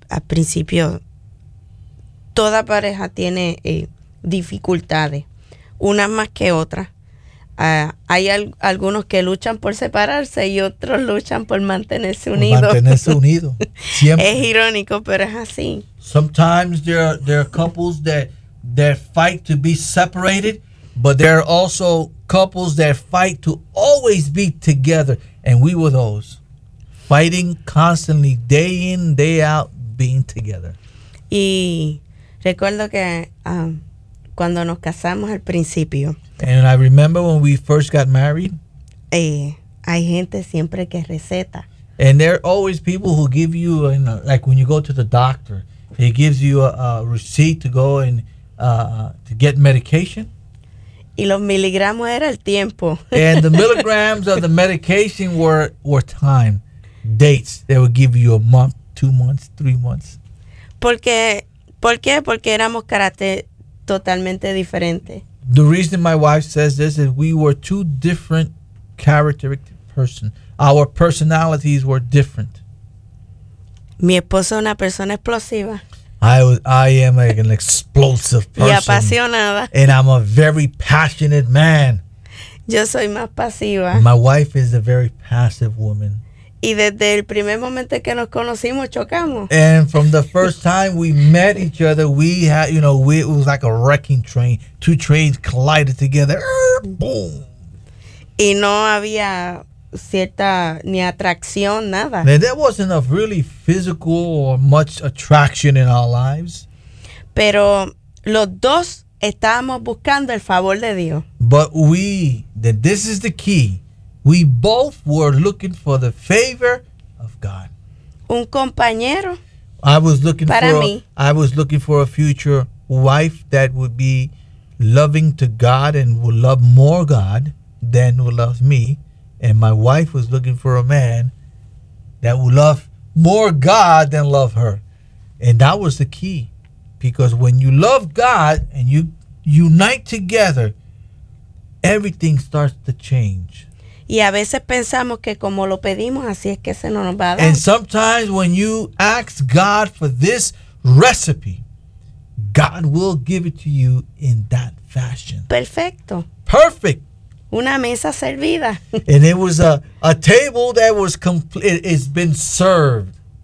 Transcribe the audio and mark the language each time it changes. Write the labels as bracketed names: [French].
[Spanish] Al principio, toda pareja tiene dificultades, unas más que otras. Hay algunos que luchan por separarse y otros luchan por mantenerse unidos. Mantenerse unidos. Siempre. Es irónico, pero es así. [English] Sometimes there are couples that fight to be separated, but there are also couples that fight to always be together. And we were those, fighting constantly, day in, day out, being together. [Spanish] Y recuerdo que cuando nos casamos al principio. [English] And I remember when we first got married. [Spanish] Hay gente siempre que receta. [English] And there are always people who give you, like when you go to the doctor, he gives you a receipt to go and to get medication. [Spanish] Y los miligramos era el tiempo. [English] And the milligrams of the medication were time, dates. They would give you a month, 2 months, 3 months. [Spanish] ¿Por qué? Porque éramos carácter totalmente diferente. [English] The reason my wife says this is we were two different characteristic person. Our personalities were different. [Spanish] Mi esposo es una persona explosiva. [English] I am an explosive person. [Spanish] Y apasionada. [English] And I'm a very passionate man. [Spanish] Yo soy más pasiva. [English] My wife is a very passive woman. [Spanish] Y desde el primer momento que nos conocimos chocamos. [English] And from the first time we met each other, we had, you know, it was like a wrecking train. Two trains collided together. Boom. [Spanish] Y no había cierta ni atracción, nada. [English] And there wasn't a really physical or much attraction in our lives. [Spanish] Pero los dos estábamos buscando el favor de Dios. [English] But this is the key. We both were looking for the favor of God. [Spanish] Un compañero. [English] I was looking [Spanish] para [English] for [Spanish] mí. [English] I was looking for a future wife that would be loving to God and would love more God than who loves me, And my wife was looking for a man that would love more God than love her. And that was the key. Because when you love God and you unite together, everything starts to change. [Spanish] Y a veces pensamos que como lo pedimos, así es que se nos va a dar. [English] And sometimes when you ask God for this recipe, God will give it to you in that fashion. [Spanish] Perfecto. [English] Perfect. [Spanish] Una mesa servida. [English] And it was a table that was complete. It's been served.